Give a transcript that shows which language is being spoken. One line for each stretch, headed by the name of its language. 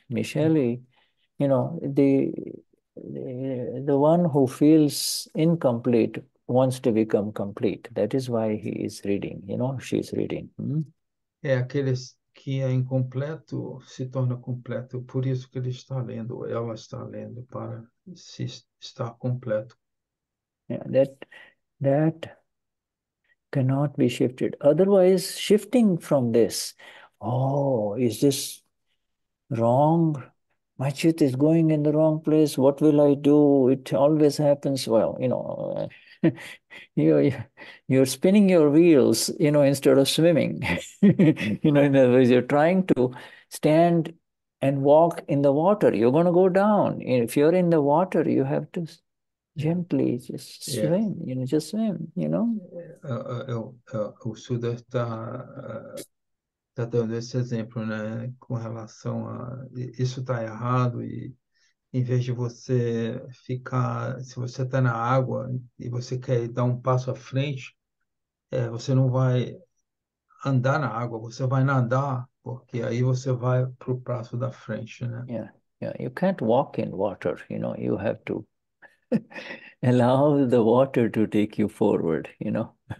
English: Michele, you know, the one who feels incomplete wants to become complete. That is why he is reading. You know, she is reading.
Portuguese: É aqueles que é incompleto se torna completo. Por isso que ele está lendo. Ela está lendo para se estar completo.
English: Yeah, that cannot be shifted. Otherwise, shifting from this, oh, is this wrong? My chit is going in the wrong place. What will I do? It always happens. Well, you know, you're spinning your wheels, you know, instead of swimming. You know, in other words, you're trying to stand and walk in the water. You're going to go down. If you're in the water, you have to gently just swim, yes. You know, just swim, you know.
Portuguese: O Suda está dando esse exemplo, né, com relação a isso está errado, e em vez de você ficar, se você está na água e você quer dar um passo à frente, você não vai andar na água, você vai nadar, porque aí você vai para o passo da frente, né?
English: You can't walk in water, you know, you have to allow the water to take you forward, you know.